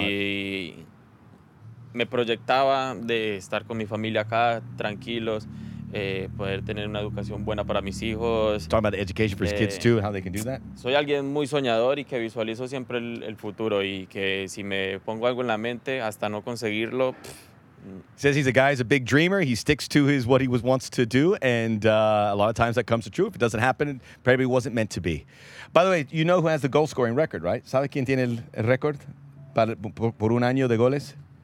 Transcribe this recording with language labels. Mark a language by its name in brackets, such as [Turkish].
[Spanish] Y me proyectaba de estar con mi familia acá, tranquilos. Poder tener una educación buena para mis hijos. [English] Talking about the education for his kids too, how they can do that. [Spanish] Soy alguien muy soñador y que visualizo siempre el futuro y que si me pongo algo en la mente hasta no conseguirlo. [English] He says he's a guy, he's a big dreamer. He sticks to his what he was wants to do, and a lot of times that comes to true. If it doesn't happen, it probably wasn't meant to be. By the way, you know who has the goal scoring record, right? [Spanish] ¿Sabe quién tiene el récord por un año de goles?